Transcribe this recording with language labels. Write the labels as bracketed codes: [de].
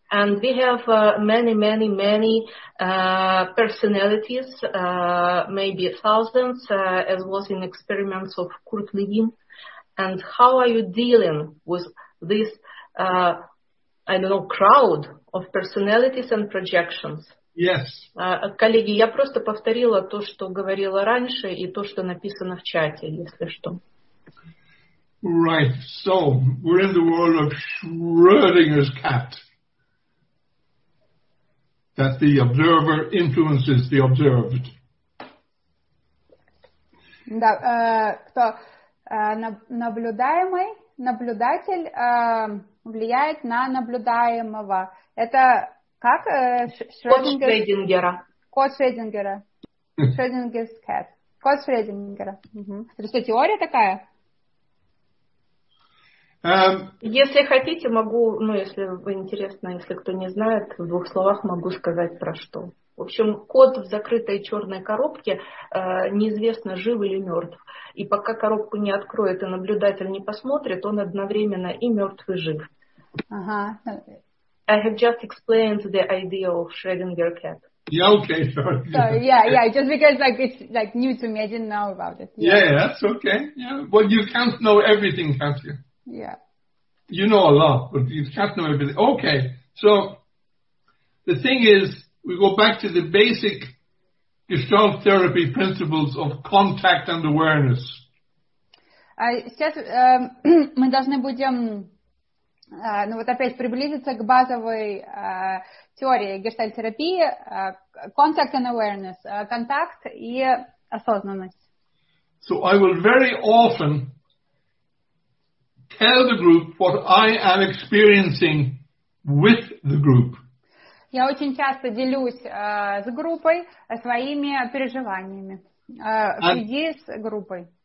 [en] And we have many personalities, maybe thousands, as was in experiments of Kurt Levin. And how are you dealing with this, I don't know, crowd of personalities and projections? Yes. [ru] Коллеги, я просто повторила то, что говорила раньше, и то, что написано в чате, если что. [en] Right, so we're in the world of Schrödinger's cat, that the observer influences the observed. [ru] Да, кто наблюдаемый, наблюдатель влияет на наблюдаемого. Это как Шрёдингера? Кот Шрёдингера. [en] Schrödinger's cat. [ru] Кот Шрёдингера. Угу. Это теория такая? Если хотите, могу, ну, если вы интересно, если кто не знает, в двух словах могу сказать про что. В общем, кот в закрытой черной коробке, неизвестно, жив или мертв. И пока коробку не откроет и наблюдатель не посмотрит, он одновременно и мертв, и жив. Uh-huh. [en] I have just explained the idea of Schrödinger cat. Yeah, okay. Sorry. So, yeah, just because like it's like new to me, I didn't know about it. Yeah, that's okay. Yeah. Well, you can't know everything, can't you? Yeah. You know a lot, but you can't know everything. Okay, so the thing is, we go back to the basic Gestalt therapy principles of contact and awareness. [ru] Сейчас мы должны будем, ну вот опять приблизиться к базовой теории Gestalt терапии, [en] contact and awareness, [ru] контакт и осознанность. [en] So I will very often tell the group what I am experiencing with the group. [ru] Я очень часто делюсь с группой своими переживаниями среди с группой.